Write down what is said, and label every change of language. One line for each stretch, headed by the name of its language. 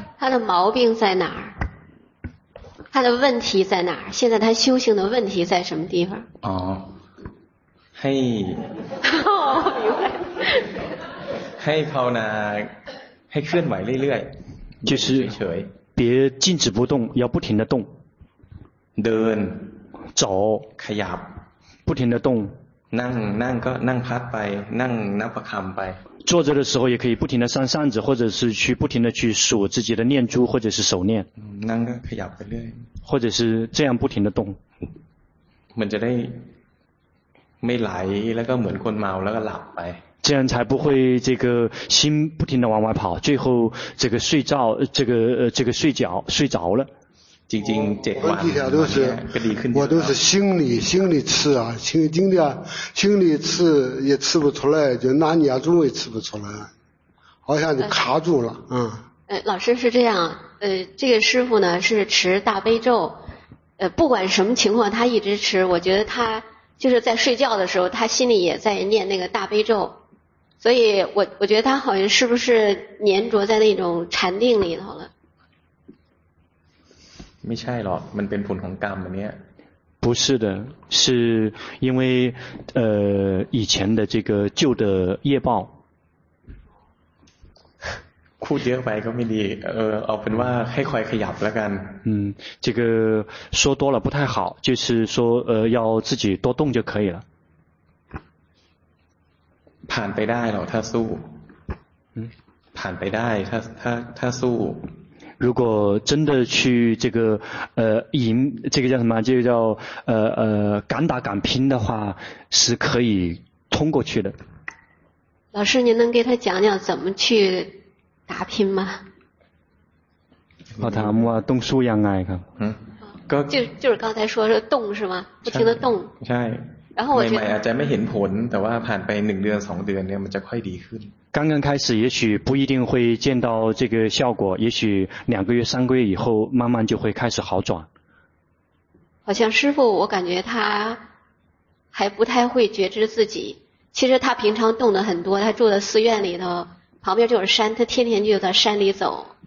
Chinese: 他的毛病在哪儿他的问题在哪儿现在他修行的问题在什么地方哦嘿哦明白嘿跑呢嘿顺买累累就是别静止不动要不停的动的走开呀不停的动
Thai: นั่งนั่งก็นั่งพักไปนั่งนับประคำไป
Chinese: 坐着的时候也可以不停的扇扇子或者是去不停的去数自己的念珠或者是手念
Thai: นั่งก็ขยับไปเรื่อย
Chinese: 或者是这样不停的动。
Thai: มันจะได้ไม่ไหลแล้วก็เหมือนคนเมาแล้วก็หลับไป。
Chinese: 这样才不会这个心不停的往外跑，最后这个睡着这个睡觉睡着了。静静这我底下都是我都是心里吃啊，心里吃也吃不出来，就拿捏住也吃不出来，好像就卡住了，嗯。老师是这样，这个师傅呢是持大悲咒，不管什么情况他一直持，我觉得他就是在睡觉的时候他心里也在念那个大悲咒，所以我觉得他好像是不是黏着在那种禅定里头了。没事了，
Thai: มันเป็นผลของกรรมเนี่ย。
Chinese: 不是的，是因为以前的这个旧的业报。
Thai: พูดเยอะไปก็ไม่ดี เอาเป็นว่าให้คอยขยับแล้วกัน
Chinese: 这个说多了不太好，就是说要自己多动就可以了。
Thai: ผ่านไปได้หรอถ้าสู้ผ่านไปได้ถ้าสู้
Chinese: 如果真的去这个赢这个叫什么就叫敢打敢拼的话是可以通过去的。老师您能给他讲讲怎么去打拼吗？我谈我动手样爱看。嗯。就是刚才说是动是吗？不停的动。
Thai: ใช่。
Chinese: 然后我觉得。
Thai: ใหม่ๆอาจจะไม่เห็นผล，แต่ว่าผ่านไป1เดือน2เดือนเนี่ยมันจะค่อยดีขึ้น。
Chinese: 刚刚开始也许不一定会见到这个效果，也许两个月三个月以后慢慢就会开始好转。好像师父我感觉他还不太会觉知自己，其实他平常动的很多，他住的寺院里头旁边就是山，他天天就在山里走。